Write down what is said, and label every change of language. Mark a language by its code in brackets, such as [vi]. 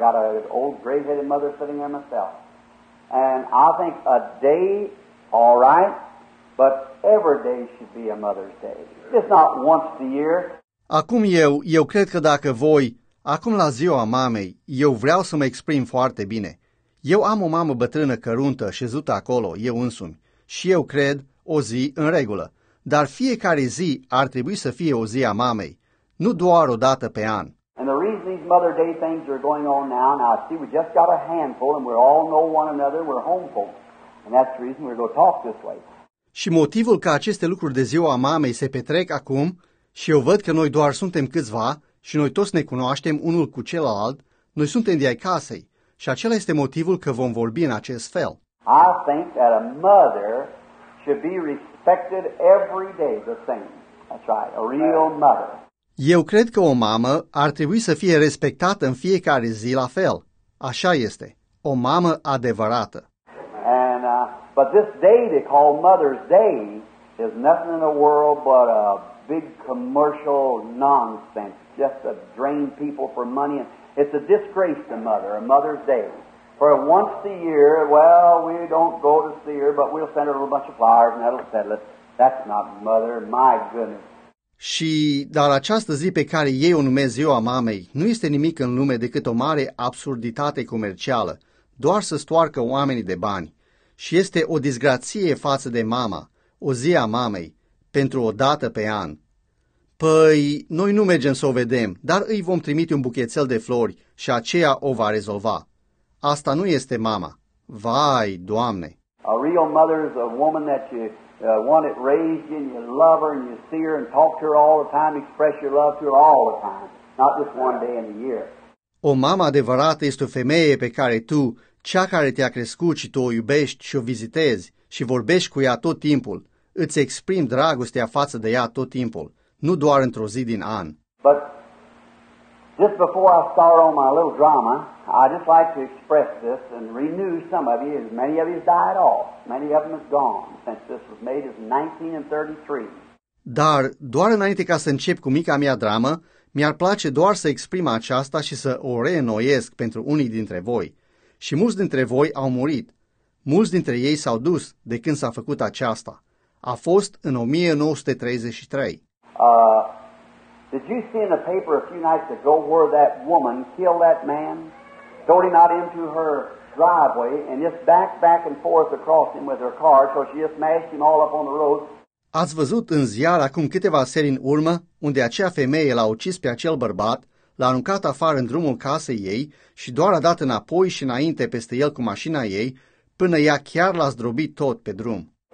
[en] I got an old gray-headed mother sitting there myself. And I think a day, all right, but every day should be a Mother's Day. Just not once a year. [ro] Acum eu cred că dacă voi, acum la ziua mamei, eu vreau să mă exprim foarte bine. Eu am o mamă bătrână căruntă șezută acolo, eu însumi, și eu cred o zi în regulă. Dar fiecare zi ar trebui să fie o zi a mamei, nu doar o dată pe an. [en] And the reason these Mother Day things are going on now, and I see we just got a handful and we all know one another, we're home folks. And that's the reason we're going to talk this way. [ro] Și motivul că aceste lucruri de ziua mamei se petrec acum și eu văd că noi doar suntem câțiva și noi toți ne cunoaștem unul cu celălalt, noi suntem de ai casei și acela este motivul că vom vorbi în acest fel. [en] I think that a mother should be respected every day the same. That's right, a real mother. [ro] Eu cred că o mamă ar trebui să fie respectată în fiecare zi la fel. Așa este, o mamă adevărată. [en] And, but this day they call Mother's Day is nothing in the world but a big commercial nonsense, just to drain people for money. It's a disgrace to mother, a Mother's Day. For once a year, well, we don't go to see her, but we'll send her a little bunch of flowers and that'll settle it. That's not mother, my goodness. [ro] Și, dar această zi pe care ei o numesc ziua mamei nu este nimic în lume decât o mare absurditate comercială, doar să stoarcă oamenii de bani. Și este o disgrație față de mama, o zi a mamei, pentru o dată pe an. Păi, noi nu mergem să o vedem, dar îi vom trimite un buchețel de flori și aceea o va rezolva. Asta nu este mama. Vai, Doamne! [en] A real mother is a woman that you want it raised in, you love her and you see her and talk to her all the time, express your love to her all the time, not just one day in the year. [ro] O mamă adevărată este o femeie pe care tu, cea care te-a crescut și tu o iubești și o vizitezi și vorbești cu ea tot timpul, îți exprimi dragostea față de ea tot timpul, nu doar într-o zi din an. [en] But Just before I start on my little drama, I'd just like to express this and renew some of you. As many of you died off. Many of them is gone since this was made in 1933. [ro] Dar doar înainte ca să încep cu mica mea dramă, mi-ar place doar să exprim aceasta și să o reînnoiesc pentru unii dintre voi. Și mulți dintre voi au murit. Mulți dintre ei s-au dus de când s-a făcut aceasta. A fost în 1933. [en] Did you see in the paper a few nights ago where that woman killed that man? Threw him out into her driveway and just back and forth across him with her car, so she just mashed him all up on the road. [ro] Ați văzut în ziar acum câteva seri în urmă unde acea femeie l-a ucis pe acel bărbat, l-a aruncat afară în drumul casei ei și doar a dat înapoi și înainte peste el cu mașina ei, până ea chiar l-a zdrobit tot pe drum.